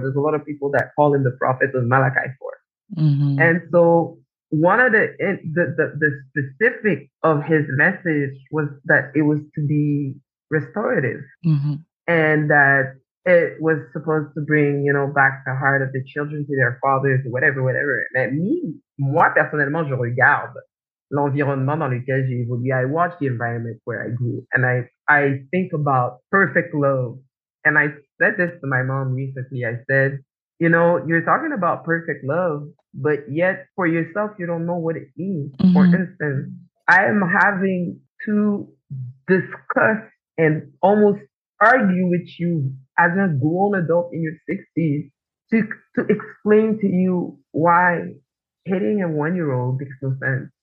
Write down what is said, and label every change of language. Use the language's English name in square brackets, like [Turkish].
[English] There's a lot of people that call him the prophet of Malachi 4. Mm-hmm. And so one of the specific of his message was that it was to be restorative, mm-hmm. and that it was supposed to bring, you know, back the heart of the children to their fathers, whatever. [French] And moi personnellement, je regarde l'environnement dans lequel j'ai évolué. [English] I watch the environment where I grew, and I think about perfect love. And I said this to my mom recently. I said, you know, you're talking about perfect love, but yet for yourself, you don't know what it means. Mm-hmm. For instance, I am having to discuss and almost argue with you as a grown adult in your 60s to explain to you why hitting a one-year-old makes no sense.